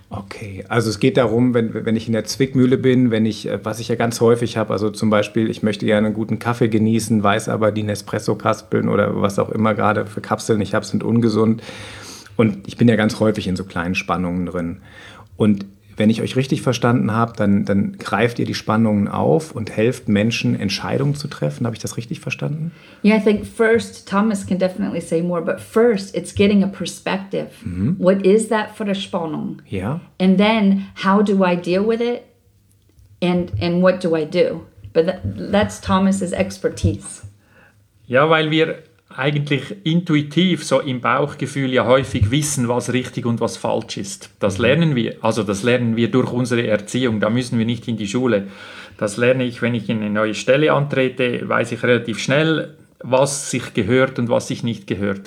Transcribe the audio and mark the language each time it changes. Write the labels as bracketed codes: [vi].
[de] Okay, also es geht darum, wenn ich in der Zwickmühle bin, was ich ja ganz häufig habe, also zum Beispiel, ich möchte gerne einen guten Kaffee genießen, weiß aber, die Nespresso-Kapseln oder was auch immer gerade für Kapseln ich habe, sind ungesund. Und ich bin ja ganz häufig in so kleinen Spannungen drin. Und wenn ich euch richtig verstanden habe, dann greift ihr die Spannungen auf und helft Menschen, Entscheidungen zu treffen. Habe ich das richtig verstanden? [en] Yeah, I think first, Thomas can definitely say more, but first it's getting a perspective. Mm-hmm. What is that for a Spannung? Yeah. And then how do I deal with it and what do I do? But that's Thomas's expertise. [de] Ja, weil wir eigentlich intuitiv, so im Bauchgefühl, ja häufig wissen, was richtig und was falsch ist. Das lernen wir, also das lernen wir durch unsere Erziehung, da müssen wir nicht in die Schule. Das lerne ich, wenn ich in eine neue Stelle antrete, weiß ich relativ schnell, was sich gehört und was sich nicht gehört.